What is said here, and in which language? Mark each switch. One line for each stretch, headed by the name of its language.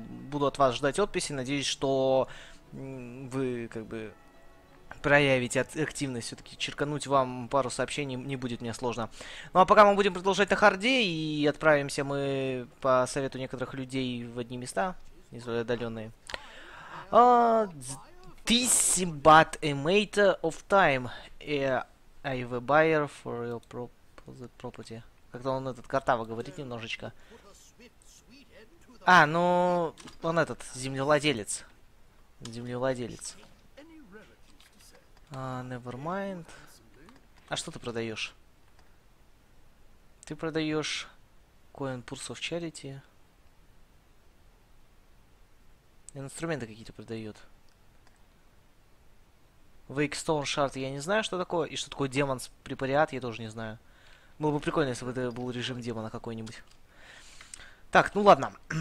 Russian: Буду от вас ждать отписи, надеюсь, что вы как бы... проявить активность, все-таки черкануть вам пару сообщений не будет мне сложно. Ну а пока мы будем продолжать на харде и отправимся мы по совету некоторых людей в одни места, не знаю, отдаленные.
English: This is but a matter of time. I have a buyer for your property.
Russian: Как-то он этот картава говорит немножечко. А, ну, он этот, землевладелец. Землевладелец.
English: Never mind.
Russian: А что ты продаешь? Ты продаешь Coin Purse of Charity. Инструменты какие-то продает. Wakestone Shard, я не знаю, что такое. И что такое демон с препариат, я тоже не знаю. Было бы прикольно, если бы это был режим демона какой-нибудь. Так, ну ладно.